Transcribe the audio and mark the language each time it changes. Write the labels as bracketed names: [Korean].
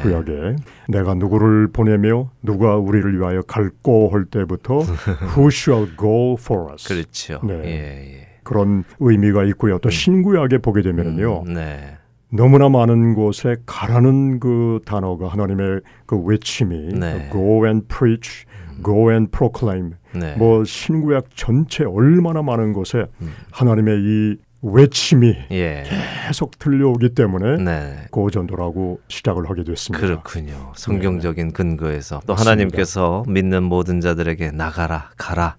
[Korean] 구약에 내가 누구를 보내며 누가 우리를 위하여 갈고 할 때부터 [English] who shall go for us. [Korean] 그렇죠. 네. 예, 예. 그런 의미가 있고요. 또 신구약에 보게 되면요. 네. 너무나 많은 곳에 가라는 그 단어가 하나님의 그 외침이 네. [English] go and preach, go and proclaim. [Korean] 네. 뭐 신구약 전체 얼마나 많은 곳에 하나님의 이 외침이 예. 계속 들려오기 때문에 네. 고전도라고 시작을 하게 됐습니다. 그렇군요. 성경적인 네. 근거에서 또 맞습니다. 하나님께서 믿는 모든 자들에게 나가라 가라